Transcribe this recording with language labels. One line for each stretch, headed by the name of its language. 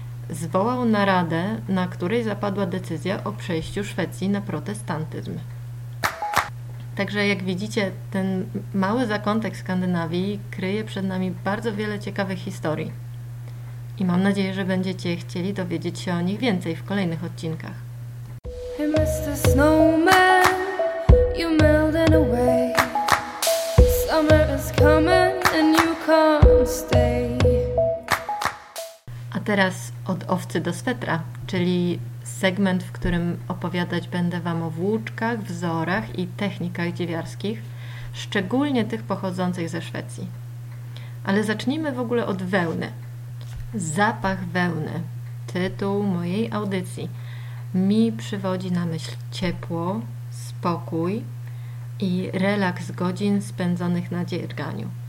Polish: zwołał naradę, na której zapadła decyzja o przejściu Szwecji na protestantyzm. Także jak widzicie, ten mały zakątek Skandynawii kryje przed nami bardzo wiele ciekawych historii. I mam nadzieję, że będziecie chcieli dowiedzieć się o nich więcej w kolejnych odcinkach.
English: Hey, Mr. Snowman, you melted away. Summer is coming and you can't stay.
Polish: A teraz od owcy do swetra, czyli segment, w którym opowiadać będę Wam o włóczkach, wzorach i technikach dziewiarskich, szczególnie tych pochodzących ze Szwecji. Ale zacznijmy w ogóle od wełny. Zapach wełny, tytuł mojej audycji, mi przywodzi na myśl ciepło, spokój i relaks godzin spędzonych na dzierganiu.